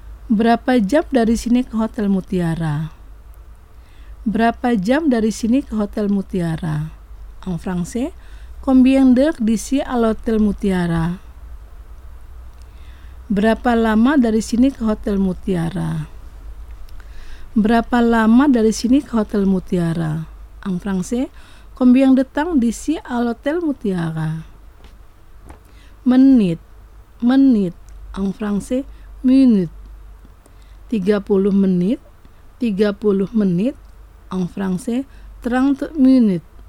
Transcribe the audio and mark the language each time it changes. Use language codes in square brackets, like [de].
[id] Berapa jam dari sini ke Hotel Mutiara? Berapa jam dari sini ke Hotel Mutiara? [fr] En français, combien d'heures d'ici à l'Hôtel Mutiara? [id] Berapa lama dari sini ke Hotel Mutiara? Berapa lama dari sini ke Hotel Mutiara? [fr] En français, combien de temps d'ici à l'Hôtel Mutiara? [id] Menit, menit. [fr] En français, minute. [id] 30 menit, 30 menit. [fr] En français, 30 minutes.